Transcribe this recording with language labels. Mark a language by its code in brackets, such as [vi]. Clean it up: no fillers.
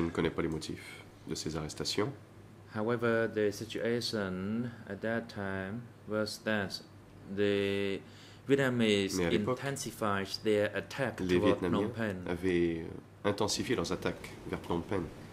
[fr] ne connais pas les motifs de ces arrestations. [en] However, the situation at that time was that the Vietnamese intensified their attack [fr] les Vietnamiens avaient intensifié leurs attaques vers Phnom Penh.